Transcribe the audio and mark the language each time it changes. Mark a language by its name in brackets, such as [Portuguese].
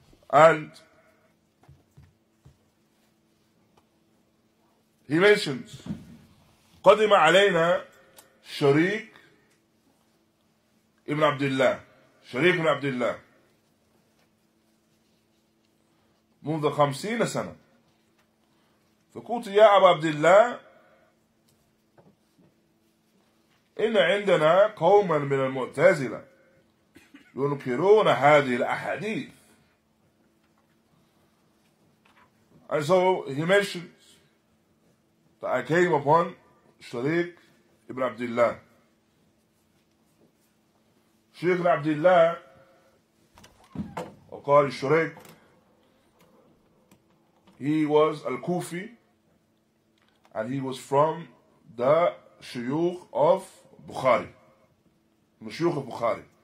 [English] And he mentions, [Arabic] قَدِمَ عَلَيْنَا شَرِيكَ Ibn Abdullah, Sharif Ibn Abdullah, منذ 50 سنة. فقلت يا أبا عبد الله إن عندنا قوما من المعتزلة ينكرون هذه الأحاديث. [English] And so he mentions that I came upon Sharif Ibn Abdullah. Sheikh Ibn Abdullah, or Qari Shurayk, he was Al Kufi and he was from the Shuyukh of Bukhari. The Shuyukh of Bukhari.